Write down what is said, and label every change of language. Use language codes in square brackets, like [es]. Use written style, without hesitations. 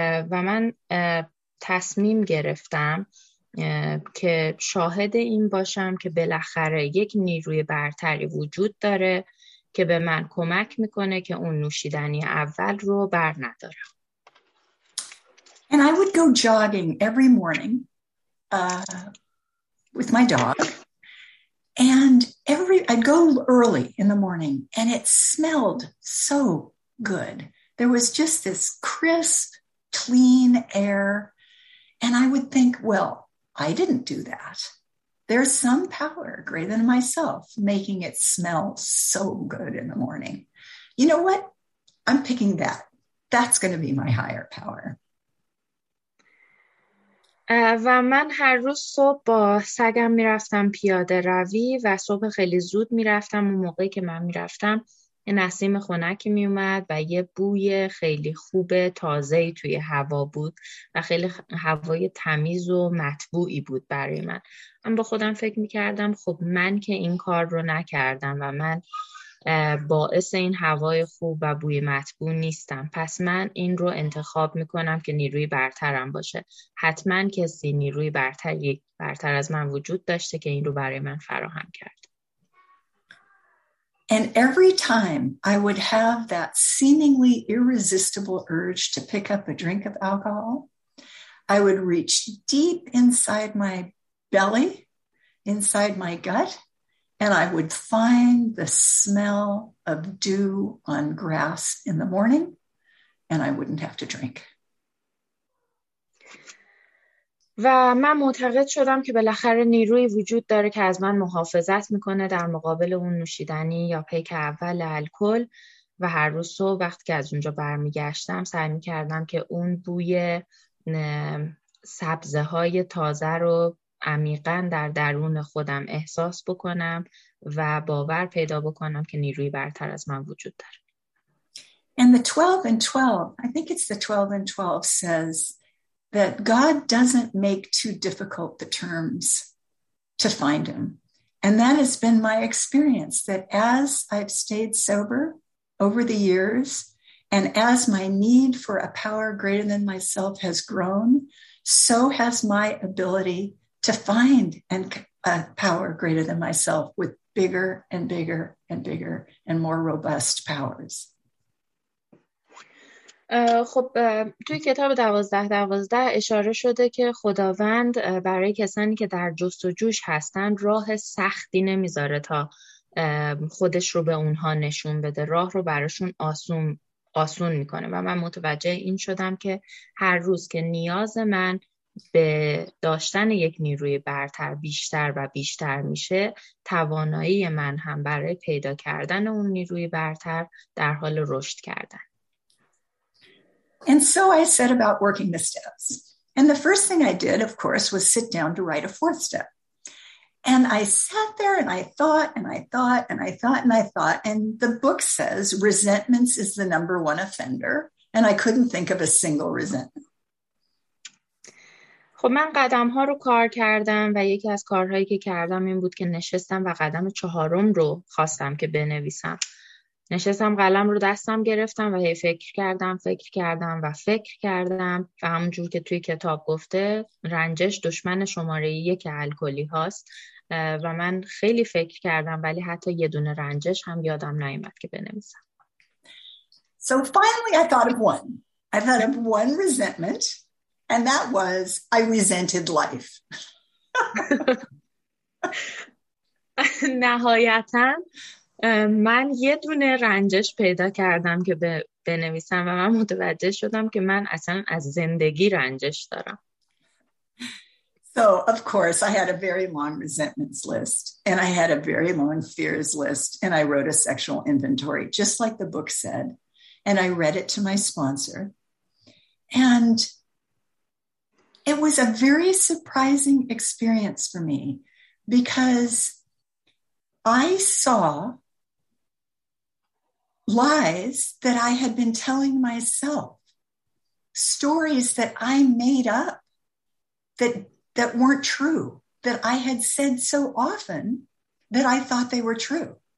[fa] و من تصمیم گرفتم که شاهد این باشم که بالاخره یک نیروی برتری وجود داره که به من کمک میکنه که اون نوشیدنی اول رو بر ندارم. [en] And I would go jogging every morning with my dog. And I'd go early in the morning, and it smelled so good. There was just this crisp, clean air. And I would think, well, I didn't do that. There's some power greater than myself making it smell so good in the morning. You know what? I'm picking that. That's going to be my higher power. [fa] و من هر روز صبح با سگم می رفتم پیاده روی و صبح خیلی زود می رفتم و موقعی که من می رفتم یه نسیم خنکی می اومد و یه بوی خیلی خوب تازه توی هوا بود و خیلی هوای تمیز و مطبوعی بود برای من. من با خودم فکر می کردم خب من که این کار رو نکردم و من باعث این هوای خوب و بوی مطبوع نیستم. پس من این رو انتخاب میکنم که نیروی برترم باشه. حتما کسی نیروی برتر از من وجود داشته که این رو برای من فراهم کرد. [en] And every time I would have that seemingly irresistible urge to pick up a drink of alcohol, I would reach deep inside my belly, inside my gut, and I would find the smell of dew on grass in the morning, and I wouldn't have to drink. [fa] و من معتقد شدم که بالاخره نیروی وجود داره که از من محافظت میکنه در مقابل اون نوشیدنی یا پیک اول الکل. و هر روز صبح وقتی که از اونجا برمیگشتم سعی میکردم که اون بوی سبزه های تازه رو عمیقا در درون خودم احساس بکنم و باور پیدا بکنم که نیروی برتر از من وجود داره. [en] And the 12 and 12, I think it's the 12 and 12 says that God doesn't make too difficult the terms to find him. And that has been my experience, that as I've stayed sober over the years and as my need for a power greater than myself has grown, so has my ability to find and a power greater than myself with bigger and bigger and bigger and more robust powers. [fa] خب توی کتاب 12:12 اشاره شده که خداوند برای کسانی که در جستجوش هستند راه سختی نمیذاره تا خودش رو به اونها نشون بده، راه رو براشون آسون میکنه. و من متوجه این شدم که هر روز که نیاز من به داشتن یک نیروی برتر بیشتر و بیشتر میشه، توانایی من هم برای پیدا کردن اون نیروی برتر در حال رشد کردن. [en] And so I set about working the steps. And the first thing I did, of course, was sit down to write a fourth step. And I sat there and I thought and I thought and I thought and I thought. And the book says resentments is the number one offender. And I couldn't think of a single resentment. [fa] خب من قدم ها رو کار کردم و یکی از کارهایی که کردم این بود که نشستم و قدم چهارم رو خواستم که بنویسم. نشستم قلم رو دستم گرفتم و هی فکر کردم فکر کردم و فکر کردم و همونجور که توی کتاب گفته رنجش دشمن شماره یک الکلی هاست و من خیلی فکر کردم ولی حتی یه دونه رنجش هم یادم نیومد که بنویسم. [en] So finally I thought of one resentment. And that was, I resented life. [fa] نهایتاً من یه دونه رنجش پیدا کردم که بنویسم و من متوجه شدم که من اصلا از زندگی رنجش دارم. [en] So, of course, I had a very long resentments list and I had a very long fears list and I wrote a sexual inventory, just like the book said. And I read it to my sponsor. And it was a very surprising experience for me because I saw lies that I had been telling myself, stories that I made up that weren't true, that I had said so often that I thought they were true.